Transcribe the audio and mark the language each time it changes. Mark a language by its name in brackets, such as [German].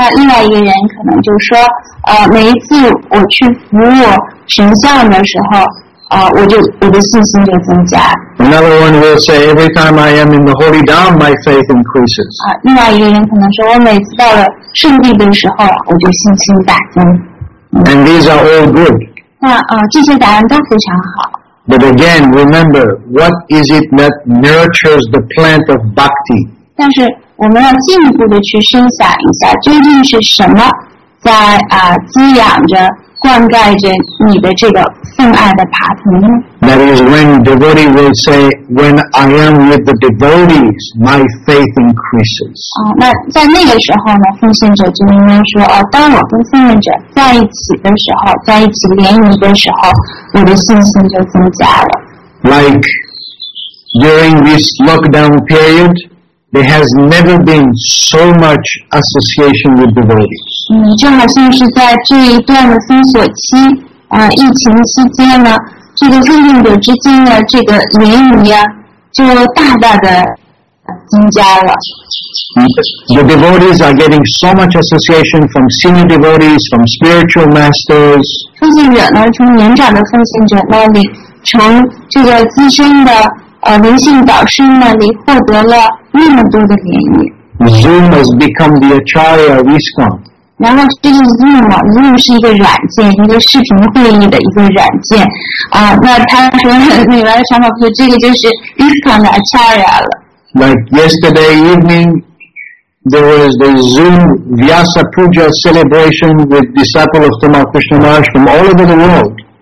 [Chinese] 另外一个人可能就说，每一次我去服务神像的时候，我的信心就增加。 [English] Another one will say, every time I am in the holy dharma, my faith increases. [Chinese] 另外一个人可能说，我每次到了圣地的时候，我就信心大增。 [English] And these are all good. [Chinese] 这些答案都非常好。 [English] But again, remember, what is it that nurtures the plant of bhakti? [Chinese] 但是我们要进一步的去深想一下，究竟是什么在滋养着、灌溉着你的这个奉爱的爬藤呢？ [English] That is when devotee will say, "When I am with the devotees, my faith increases." [Chinese] 那在那个时候呢，奉献者就应该说，当我跟奉献者在一起的时候，在一起联谊的时候，我的信心就增加了。 [English] Like during this lockdown period, there has never been so much association with devotees. [Chinese] 就好像是在这一段的封锁期，疫情期间呢，这个奉献者之间的这个联谊就大大的增加了。 [English] The devotees are getting so much association from senior devotees, from spiritual masters. [Chinese] 奉献者呢，从年长的奉献者那里，从这个资深的灵性导师那里获得了那么多的联谊。 [English] Zoom has become the Acharya of ISKCON. [Chinese] 然后这个 Zoom 是一个软件，一个视频会议的一个软件。那他说里面的想法说，这个就是 ISKCON 的 Acharya 了。 [English] Like yesterday evening, there was the Zoom Vyasa Puja celebration with disciples of Tamal Krishna Maharaj from all over the world.